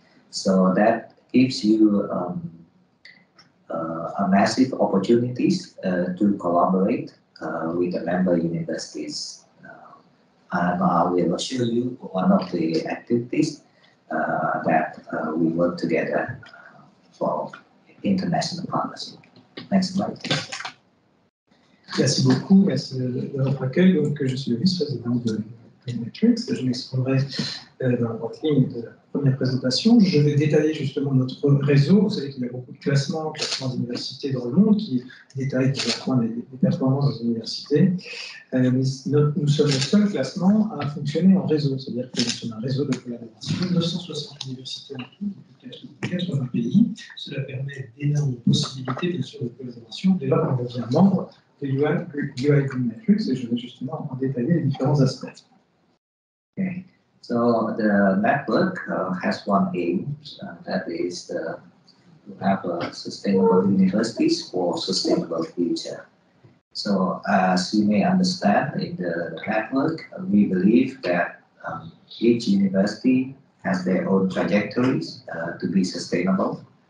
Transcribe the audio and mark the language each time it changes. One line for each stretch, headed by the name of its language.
English: So that gives you a massive opportunities to collaborate with the member universities. And I will show you one of the activities that we work together for international partnership. Next slide.
French: Merci beaucoup, merci de votre accueil. Donc, je suis le vice-président de Green Metrics. Je m'exprimerai dans la ligne de la première présentation. Je vais détailler justement notre réseau. Vous savez qu'il y a beaucoup de classements d'universités dans le monde qui détaillent directement les performances des universités. Mais nous sommes le seul classement à fonctionner en réseau, c'est-à-dire que nous sommes un réseau de collaboration, 260 universités en tout. 80 pays, cela permet d'énormes possibilités bien sûr de collaboration dès lors qu'on devient membre de UI Green Metrics, et je vais justement en détailler les différents aspects.
English: Okay, so the network has one aim, that is to have sustainable universities for sustainable future. So as you may understand, in the network we believe that each university has their own trajectories to be sustainable.